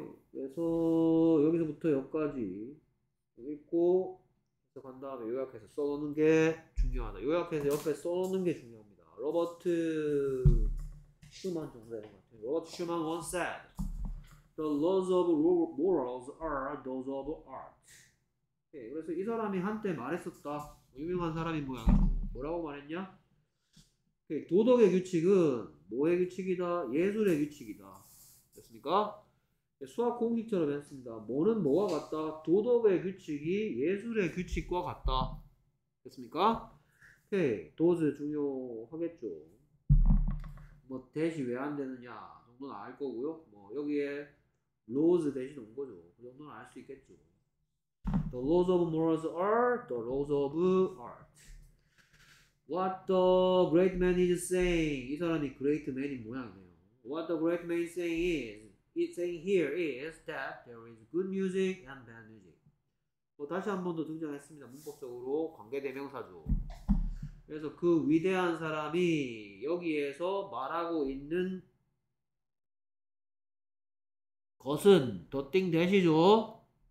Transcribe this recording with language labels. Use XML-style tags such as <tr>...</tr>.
<ko>그래서 여기서부터 여기까지 읽고 간 다음에 요약해서 써놓는 게 중요하다. 요약해서 옆에 써놓는 게 중요합니다. 로버트 슈만 정도 같아요.</ko> <en>로버트 슈만 once said The laws of morals are those of art.</en> <ko>네, 그래서 이 사람이 한때 말했었다. 유명한 사람이 뭐야? 뭐라고 말했냐? 네, 도덕의 규칙은 뭐의 규칙이다? 예술의 규칙이다. 됐습니까? 네, 수학 공식처럼 했습니다. 뭐는 뭐와 같다? 도덕의 규칙이 예술의 규칙과 같다. 됐습니까? 네, 도즈 중요하겠죠. 뭐 대시 왜 안 되느냐? 정도는 알 거고요. 뭐 여기에 laws 대신 온 거죠. 그 정도는 알 수 있겠죠.</ko> <en>The laws of morals are the laws of art. What the great man is saying.</en> <ko>이 사람이 great man인 모양이네요.</ko> <en>What the great man is saying is, it's saying here is that there is good music and bad music.</en> <ko>뭐 다시 한 번 더 등장했습니다. 문법적으로 관계대명사죠. 그래서 그 위대한 사람이 여기에서 말하고 있는 것은 the thing 되시죠?</ko>